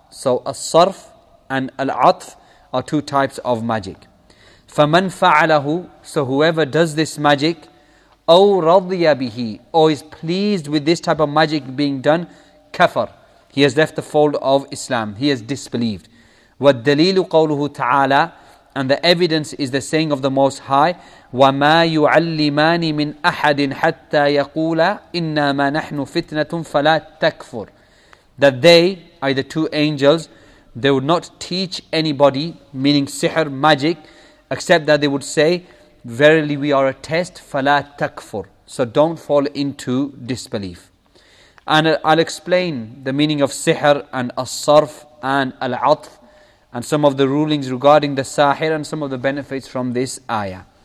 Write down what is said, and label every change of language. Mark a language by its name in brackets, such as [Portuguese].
[English] So الصَّرْف and العطف are two types of magic. [Arabic] فَمَنْ فَعَلَهُ. [English] So whoever does this magic, [Arabic] أَوْ رَضِيَ بِهِ, [English] or is pleased with this type of magic being done, [Arabic] كَفَر. [English] He has left the fold of Islam. He has disbelieved. [Arabic] وَالدَّلِيلُ قَوْلُهُ تَعَالَى. [English] And the evidence is the saying of the Most High, [Arabic] وَمَا يُعَلِّمَانِ مِنْ أَحَدٍ حَتَّى يَقُولَ إِنَّمَا نَحْنُ فِتْنَةٌ فَلَا تَكْفُرْ. [English] That they, either two angels, they would not teach anybody, meaning sihr, magic, except that they would say, verily we are a test, [Arabic] فَلَا تَكْفُرْ. [English] So don't fall into disbelief. And I'll explain the meaning of sihr and as-sarf and al-atf, and some of the rulings regarding the sahir and some of the benefits from this ayah.